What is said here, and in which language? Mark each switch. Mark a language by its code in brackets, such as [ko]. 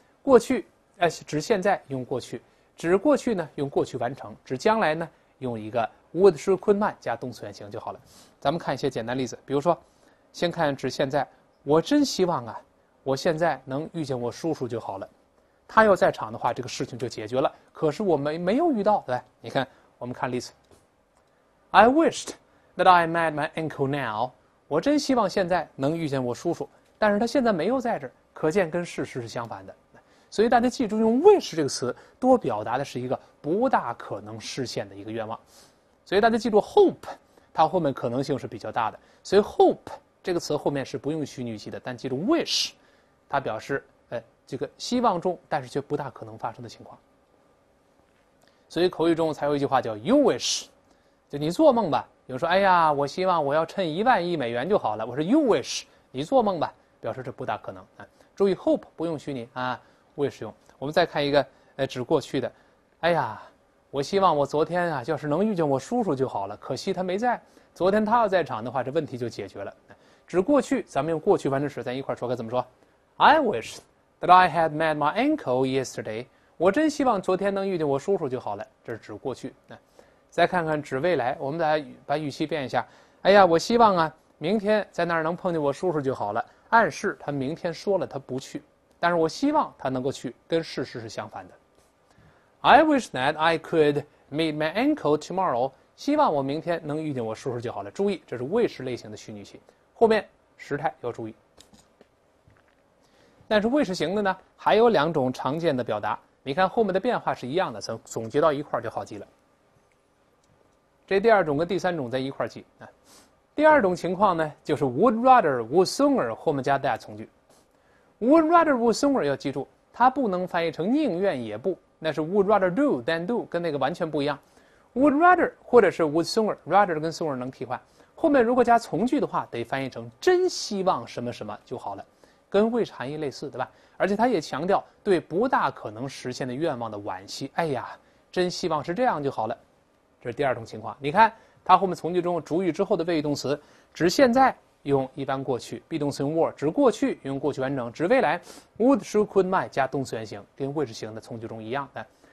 [zh] 过去，指现在用过去，指过去呢用过去完成，指将来呢用一个。 [en] Would, should, could, might [zh] 加动词原形就好了。咱们看一些简单例子，比如说，先看指现在，我真希望啊，我现在能遇见我叔叔就好了。他要在场的话，这个事情就解决了。可是我没有遇到，对吧？你看，我们看例子。 [en] I wished that I met my uncle now。 [zh] 我真希望现在能遇见我叔叔，但是他现在没有在这儿，可见跟事实是相反的。所以大家记住，用 wish 这个词多表达的是一个不大可能实现的一个愿望。所以大家记住 hope，它后面可能性是比较大的。所以 hope 这个词后面是不用虚拟语气的，但记住 wish，它表示这个希望中，但是却不大可能发生的情况。所以口语中才有一句话叫 [en] you wish， [zh] 就你做梦吧。有人说，哎呀，我希望我要趁1万亿美元就好了。我说 [en] you wish， [zh] 你做梦吧，表示这不大可能啊。注意 hope 不用虚拟啊，wish 用。我们再看一个指过去的，哎呀。我希望我昨天啊，要是能遇见我叔叔就好了。可惜他没在。昨天他要在场的话，这问题就解决了。指过去，咱们用过去完成时，咱一块儿说该怎么说。 [en] I wish that I had met my uncle yesterday。 [zh] 我真希望昨天能遇见我叔叔就好了。这是指过去。再看看指未来，我们来把语气变一下。哎呀，我希望啊，明天在那儿能碰见我叔叔就好了。暗示他明天说了他不去，但是我希望他能够去，跟事实是相反的。 [en] I wish that I could meet my uncle tomorrow。 [zh] 希望我明天能遇见我叔叔就好了。注意，这是 wish 类型的虚拟器，后面时态要注意。但是 wish 型的呢，还有2种常见的表达。你看后面的变化是一样的，总结到一块儿就好记了。这第二种跟第三种在一块儿记啊。第二种情况呢，就是 [en] would rather would sooner [zh] 后面加 that 从句。 [en] would rather would sooner [zh] 要记住，它不能翻译成宁愿也不，那是 [en] would rather do than do， [zh] 跟那个完全不一样。 [en] would rather [zh] 或者是 [en] would sooner， [zh] rather 跟 sooner 能替换。后面如果加从句的话，得翻译成真希望什么什么就好了，跟 wish 含义类似，对吧？而且它也强调对不大可能实现的愿望的惋惜。哎呀，真希望是这样就好了。这是第二种情况，你看它后面从句中主语之后的谓语动词，指现在用一般过去，be 动词用 were，指过去用过去完整，指未来 [en] would should could might [zh] 加动词原形，跟 wish 型的从句中一样的。